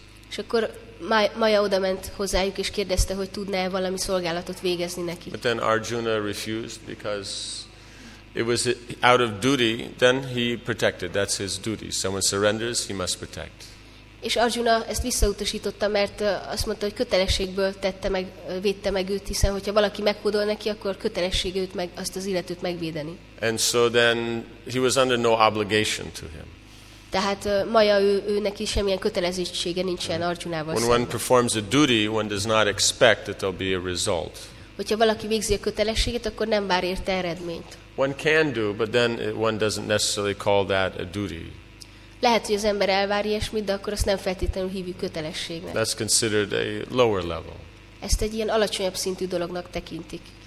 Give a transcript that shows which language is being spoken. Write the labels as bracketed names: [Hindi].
[Hungarian] És akkor Maya odament hozzájuk és kérdezte, hogy tudná-e valami szolgálatot végezni neki. [English] But then Arjuna refused because it was out of duty. Then he protected. That's his duty. Someone surrenders, he must protect. [Hungarian] És Arjuna ezt visszautasította, mert azt mondta, hogy kötelességből tette meg, védte meg őt, hiszen hogyha valaki megkódol neki, akkor kötelessége őt meg, azt az illetőt megvédeni. [English] And so then he was under no obligation to him. [Hungarian] Tehát Maya, ő neki semmilyen kötelezettsége nincsen Arjunával szemben. [English] When one performs a duty, one does not expect that there'll be a result. [Hungarian] Hogyha valaki végzi a kötelességét, akkor nem vár érte eredményt. [English] One can do, but then one doesn't necessarily call that a duty. [Hungarian] Lehet, hogy az ember elvár ilyesmit, de akkor azt nem feltétlenül hívjuk kötelességnek. [English] That's considered a lower level. [Hungarian] Ezt egy ilyen alacsonyabb szintű dolognak tekintik.